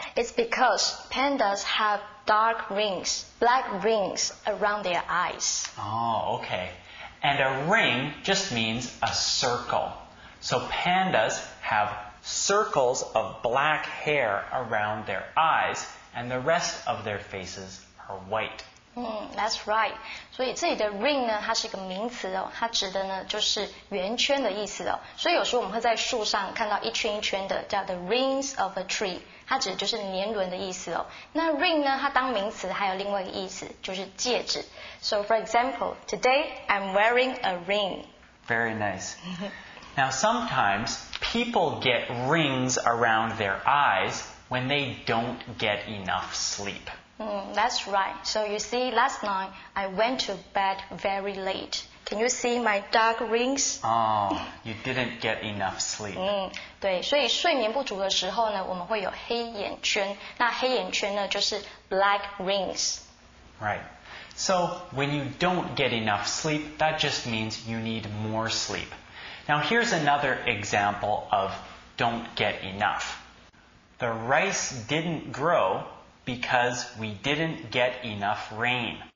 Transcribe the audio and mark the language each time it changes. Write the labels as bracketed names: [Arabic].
[English] It's because pandas have dark rings, black rings around their eyes. Oh, okay. And a ring just means a circle. So pandas have circles of black hair around their eyes, and the rest of their faces are white. That's right. [Chinese] 所以这里的 ring 呢，它是一个名词哦，它指的呢就是圆圈的意思哦。所以有时候我们会在树上看到一圈一圈的，叫 [English] the rings of a tree， [Chinese] 它指的就是年轮的意思哦。那 ring 呢，它当名词还有另外一个意思，就是戒指。 [English] So for example, today I'm wearing a ring. Very nice. Now sometimes people get rings around their eyes when they don't get enough sleep. That's right. So you see, last night I went to bed very late. Can you see my dark rings? Oh, you didn't get enough sleep. [Chinese] 对，所以睡眠不足的时候呢，我们会有黑眼圈。那黑眼圈呢，就是 [English] black rings. Right. So when you don't get enough sleep, that just means you need more sleep. Now here's another example of don't get enough. The rice didn't grow. Because we didn't get enough rain.